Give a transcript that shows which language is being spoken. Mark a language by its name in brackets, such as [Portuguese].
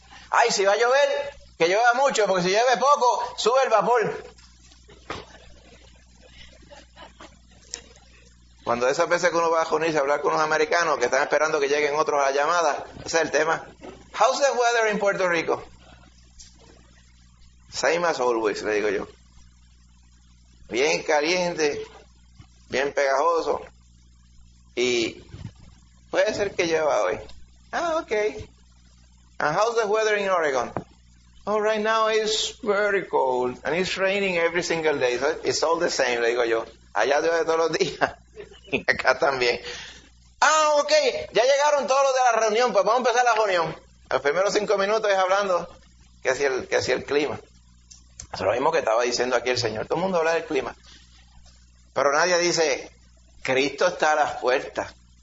[Spanish] Ay, si va a llover, que llueva mucho, porque si llueve poco, sube el vapor. Cuando esas veces que uno va a reunirse a hablar con los americanos que están esperando que lleguen otros a la llamada, ese es el tema. [English] How's the weather in Puerto Rico? Same as always, [Spanish] le digo yo. Bien caliente, bien pegajoso. Y puede ser que llueva hoy. Ah, okay. [English] And how's the weather in Oregon? Oh, right now it's very cold and it's raining every single day. So it's all the same, [Spanish] le digo yo. Allá llueve todos los días. Y acá también. Ah, okay. Ya llegaron todos los de la reunión, pues vamos a empezar la reunión. Los primeros 5 minutos es hablando que hacia el clima. Es lo mismo que estaba diciendo aquí el Señor. Todo el mundo habla del clima. Pero nadie dice, Cristo está a las puertas.